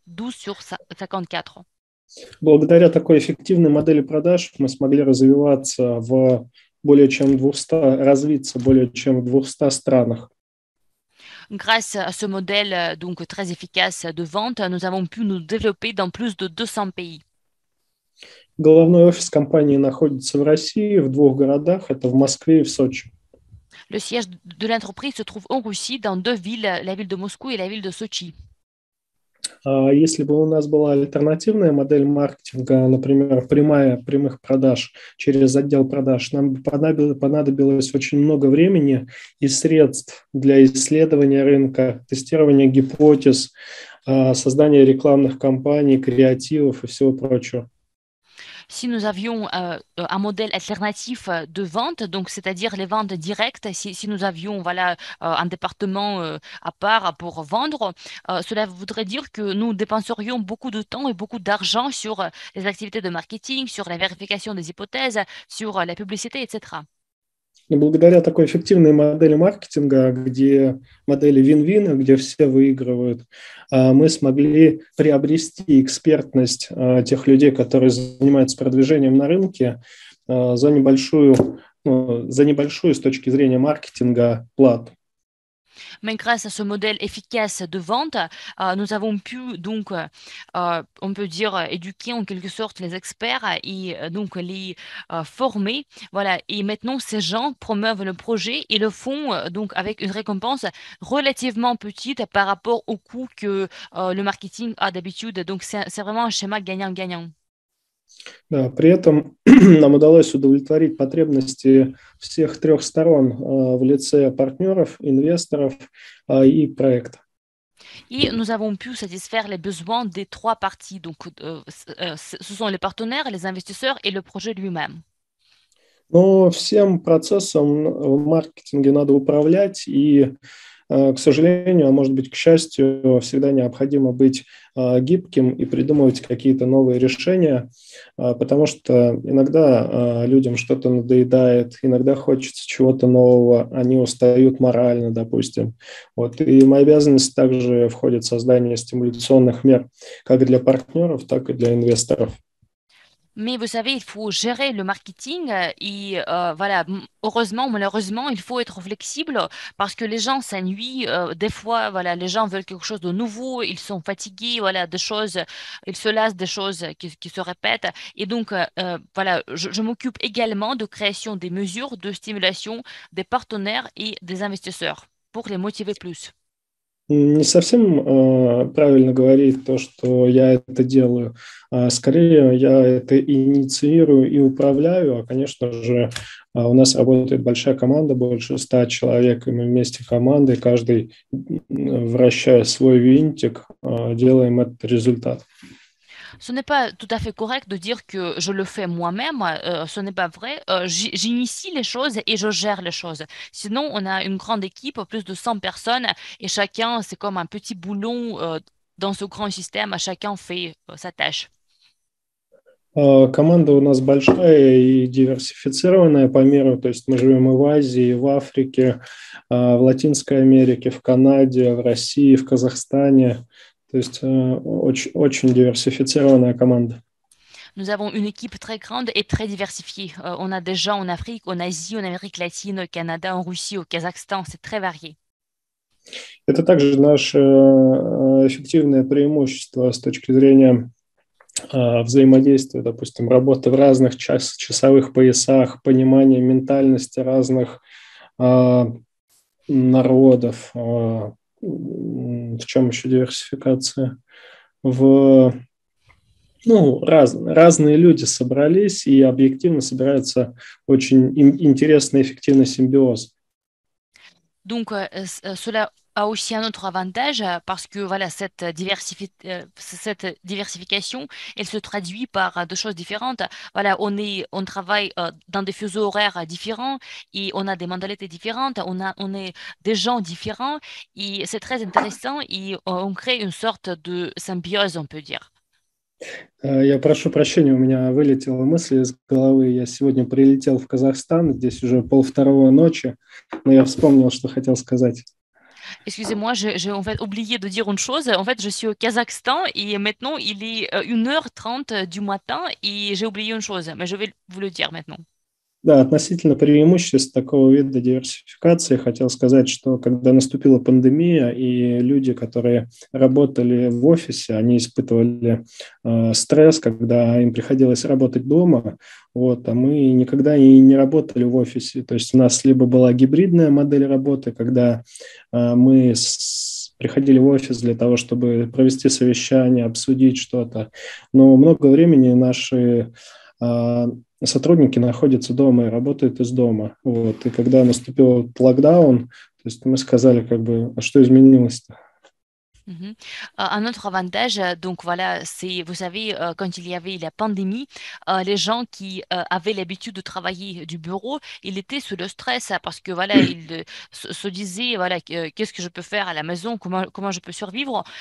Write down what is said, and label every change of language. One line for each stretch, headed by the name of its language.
French: 12 sur 54.
Russian: Благодаря такой эффективной модели продаж мы смогли развиваться в более чем 200, развиться более чем в 200 странах.
French: Grâce à ce modèle donc très efficace de vente, nous avons pu nous développer dans plus de 200 pays.
Russian: Головной офис компании находится в России, в двух городах, это в Москве и в Сочи.
French: Le siège de l'entreprise se trouve en Russie dans deux villes, la ville de Moscou et la ville de Sochi.
Russian: Если бы у нас была альтернативная модель маркетинга, например, прямых продаж через отдел продаж, нам бы понадобилось очень много времени и средств для исследования рынка, тестирования гипотез, создания рекламных кампаний, креативов и всего прочего.
French: Si nous avions un modèle alternatif de vente, donc c'est-à-dire les ventes directes, si nous avions voilà, un département à part pour vendre, cela voudrait dire que nous dépenserions beaucoup de temps et beaucoup d'argent sur les activités de marketing, sur la vérification des hypothèses, sur la publicité, etc.
Russian: Но благодаря такой эффективной модели маркетинга, где модели win-win, где все выигрывают, мы смогли приобрести экспертность тех людей, которые занимаются продвижением на рынке, за небольшую с точки зрения маркетинга плату.
French: Mais grâce à ce modèle efficace de vente, nous avons pu donc, on peut dire, éduquer en quelque sorte les experts et donc les former. Voilà. Et maintenant, ces gens promeuvent le projet et le font donc avec une récompense relativement petite par rapport au coût que le marketing a d'habitude. Donc, c'est vraiment un schéma gagnant-gagnant.
Russian: Да, при этом нам удалось удовлетворить потребности всех трех сторон в лице партнеров, инвесторов и проекта.
French: И nous avons pu satisfaire les besoins des trois parties. Donc, ce sont les partenaires, les investisseurs et le projet lui-même.
Russian: Но всем процессом в маркетинге надо управлять, и к сожалению, а может быть, к счастью, всегда необходимо быть гибким и придумывать какие-то новые решения, потому что иногда людям что-то надоедает, иногда хочется чего-то нового, они устают морально, допустим. Вот. И в мою обязанность также входит в создание стимуляционных мер как для партнеров, так и для инвесторов.
French: Mais vous savez, il faut gérer le marketing et voilà, heureusement, malheureusement, il faut être flexible parce que les gens s'ennuient. Des fois, voilà, les gens veulent quelque chose de nouveau, ils sont fatigués, voilà, des choses, ils se lassent des choses qui se répètent. Et donc, voilà, je m'occupe également de création des mesures de stimulation des partenaires et des investisseurs pour les motiver plus.
Russian: Не совсем правильно говорить то, что я это делаю. Скорее, я это инициирую и управляю. А, конечно же, у нас работает большая команда, больше 100 человек, и мы вместе командой, каждый, вращая свой винтик, делаем этот результат.
French: Ce n'est pas tout à fait correct de dire que je le fais moi-même, ce n'est pas vrai. J'initie les choses et je gère les choses. Sinon, on a une grande équipe, plus de 100 personnes, et chacun, c'est comme un petit boulon dans ce grand système, chacun fait sa tâche.
Russian: Команда у нас большая и диверсифицированная по миру, то есть мы живем и в Азии, и в Африке, в Латинской Америке, в Канаде, в России, в Казахстане. То есть очень, очень диверсифицированная команда.
French: Nous avons une équipe très grande et très diversifiée. On a des gens en Afrique, en Asie, en Amérique latine, au Canada, en Russie, au Kazakhstan. C'est très varié.
Russian: Это также наше эффективное преимущество с точки зрения взаимодействия, допустим, работы в разных часовых поясах, понимания ментальности разных народов. В чем еще диверсификация? Разные люди собрались и объективно собирается очень интересный эффективный симбиоз.
French: Donc, cela a aussi un autre avantage parce que voilà, cette diversification, elle se traduit par deux choses différentes. Voilà, on travaille dans des fuseaux horaires différents et on a des mentalités différentes, on est des gens différents et c'est très intéressant et on crée une sorte de symbiose, on peut dire.
Russian: Я прошу прощения, у меня вылетела мысль из головы. Я сегодня прилетел в Казахстан, здесь уже 1:30 ночи, но я вспомнил, что хотел сказать.
French: Excusez-moi, j'ai en fait oublié de dire une chose. En fait, je suis au Kazakhstan et maintenant il est 1:30 du matin et j'ai oublié une chose, mais je vais vous le dire maintenant.
Russian: Да, относительно преимуществ такого вида диверсификации хотел сказать, что когда наступила пандемия, и люди, которые работали в офисе, они испытывали стресс, когда им приходилось работать дома, вот, а мы никогда и не работали в офисе. То есть у нас либо была гибридная модель работы, когда мы приходили в офис для того, чтобы провести совещание, обсудить что-то, но много времени наши сотрудники находятся дома и работают из дома. Вот. И когда наступил локдаун, то есть мы сказали, как бы, а что изменилось-то?
French: Un autre avantage, donc voilà, c'est, vous savez, quand il y avait la pandémie, les gens qui avaient l'habitude de travailler du bureau, ils étaient sous le stress parce que voilà, ils se disaient, voilà, qu'est-ce que je peux faire à la maison, comment je peux survivre.